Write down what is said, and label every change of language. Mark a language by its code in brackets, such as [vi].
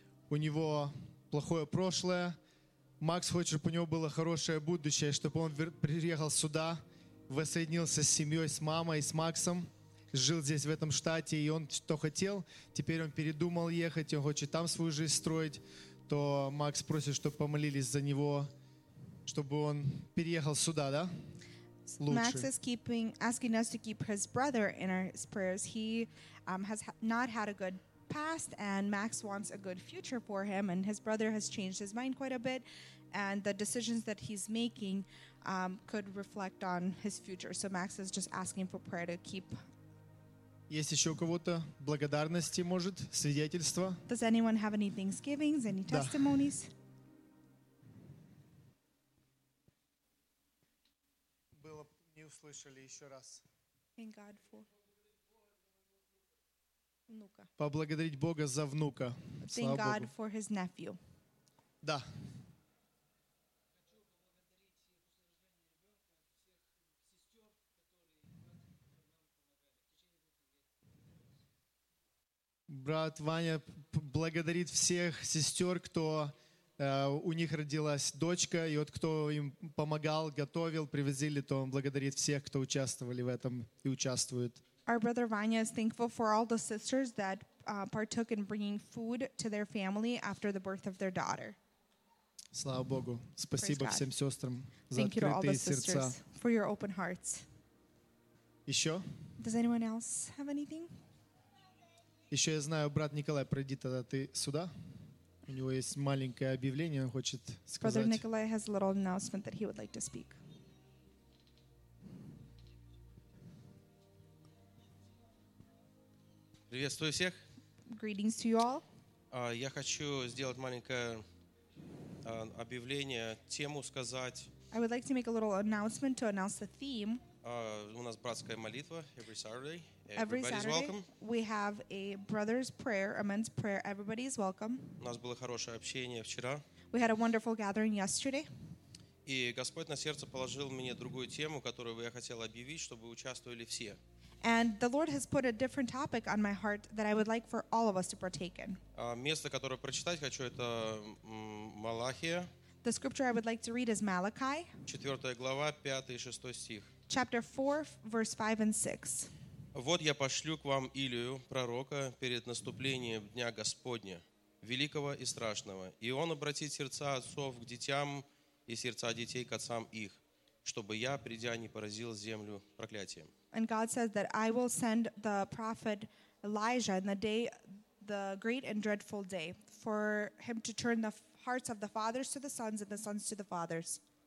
[ru] У него плохое прошлое. Макс хочет, чтобы у него было хорошее будущее, чтобы он приехал сюда, воссоединился с семьей, с мамой, с Максом, жил здесь, в этом штате, и он что хотел, теперь он передумал ехать, он хочет там свою жизнь строить. То Макс просит, чтобы помолились за него, чтобы он переехал сюда, да? Лучше. [en] Max is asking us to keep his brother in our prayers. He has not had a good past, and Max wants a good future for him, and his brother has changed his mind quite a bit, and the decisions that he's making could reflect on his future. So Max is just asking for prayer to keep. [ru] Есть еще у кого-то благодарности, может, свидетельства? [en] Does anyone have any thanksgivings, any testimonies? [ru] Да. [en] Thank God for. [ru] Поблагодарить Бога за внука. [en] Thank God for his nephew. [ru] Да. Брат Ваня благодарит всех сестер, кто у них родилась дочка, и вот кто им помогал, готовил, привезли, то он благодарит всех, кто участвовали в этом и участвует. [en] Our brother Vanya is thankful for all the sisters that partook in bringing food to their family after the birth of their daughter. [ru] Слава Богу. Спасибо всем сестрам за открытые сердца. [en] For your open hearts. [ru] Еще? [en] Does anyone else have anything? [ru] Еще я знаю, брат Николай, пройди тогда ты сюда. У него есть маленькое объявление, он хочет сказать. [en] Brother Nikolai has a little announcement that he would like to speak. [ru] Приветствую всех. [en] Greetings to you all. [ru] Я хочу сделать маленькое объявление, тему сказать. [en] I would like to make a little announcement to announce the theme. [ru] У нас братская молитва [en] every Saturday. Every Saturday, we have a brother's prayer, a men's prayer. Everybody is welcome. [ru] У нас было хорошее общение вчера. [en] We had a wonderful gathering yesterday. [ru] И Господь на сердце положил мне другую тему, которую я хотел объявить, чтобы участвовали все. [en] And the Lord has put a different topic on my heart that I would like for all of us to partake in. [ru] Место, которое прочитать хочу, это Малахия. [en] The scripture I would like to read is Malachi. [ru] 4 глава, 5 и 6 стих. [en] Chapter 4, verse 5 and 6. [ru] Вот я пошлю к вам Илию, пророка, перед наступлением дня Господня, великого и страшного, и он обратит сердца отцов к детям и сердца детей к отцам их, чтобы я, придя, не поразил землю проклятием. [en] And God says that I will send the prophet Elijah in the day, the great and dreadful day, for him to turn the hearts of the fathers to the sons and the sons to the fathers.